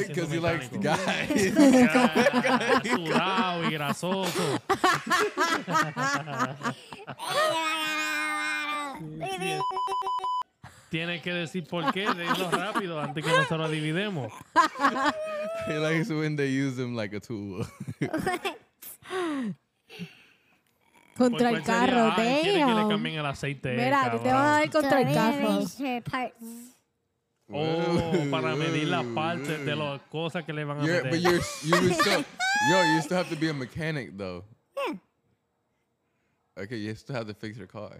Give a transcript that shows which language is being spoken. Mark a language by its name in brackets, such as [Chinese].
[Spanish] siendo mecánico? [English] Because he likes guys. [Spanish] Sudado y grasoso. Tienes que decir por qué, dilo rápido antes que nosotros dividemos. [English] He likes when they use him like a tool. [Spanish] Contra el carro, ah, [English] damn. [Spanish] Quiere que le cambien el aceite. Mira, esta, te vas a dar contra el carro. Oh, para medir las partes de las cosas que le van a meter. [English] But you still have to be a mechanic, though. Yeah. Okay, you still have to fix your car.